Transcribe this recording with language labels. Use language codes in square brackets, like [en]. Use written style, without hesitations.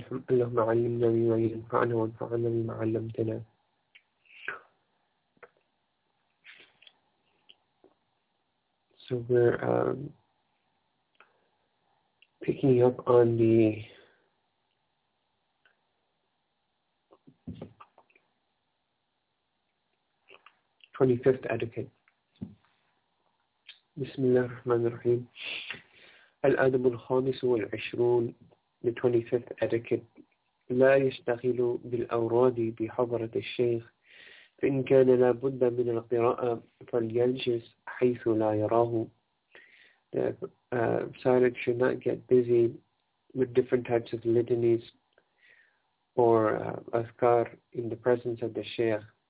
[ar] اللهم علمنا بما ينفعنا وانفعنا بما علمتنا [en] So we're picking up on the twenty-fifth etiquette. [ar] بسم الله الرحمن الرحيم. الآدب الخامس والعشرون [en] the 25th etiquette. [ar] لا يشتغل بالأوراد بحضرة الشيخ فإن كان لابد من القراءة فليجلس حيث لا يراه. [en] The silent should not get busy with different types of litanies or azkar in the presence of the sheikh.